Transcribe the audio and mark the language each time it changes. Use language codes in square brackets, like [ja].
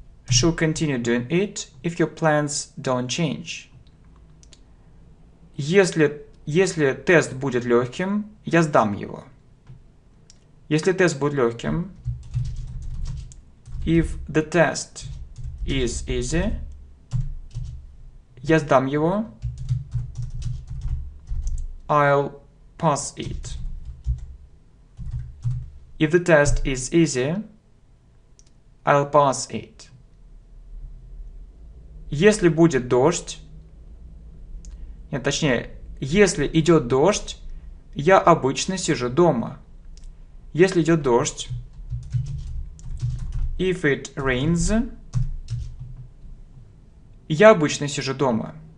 [en] She'll continue doing it if your plans don't change. [ru] Если тест будет легким, я сдам его. Если тест будет легким, [en] if the test is easy, [ru] я сдам его. [en] I'll pass it. If the test is easy, I'll pass it. [ru] Если будет дождь, нет, точнее, если идет дождь, я обычно сижу дома. Если идет дождь, [en] if it rains, [ru] я обычно сижу дома.